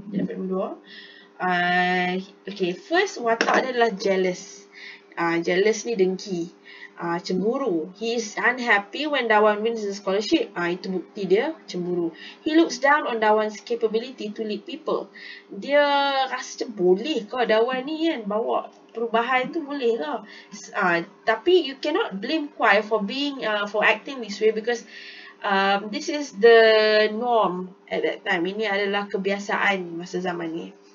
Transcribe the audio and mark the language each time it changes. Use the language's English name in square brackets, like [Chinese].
[Malay] Dia dapat nombor 2. Okay, first watak dia adalah jealous. Jealous ni dengki. Cemburu. [English] He is unhappy when Dawan wins the scholarship. [Malay] Itu bukti dia, cemburu. [English] He looks down on Dawan's capability to lead people. [Malay] Dia rasa macam boleh kau Dawan ni kan, bawa perubahan tu boleh kau. Tapi [English] you cannot blame Kwai for being, for acting this way because this is the norm at that time. [Malay] Ini adalah kebiasaan masa zaman ni.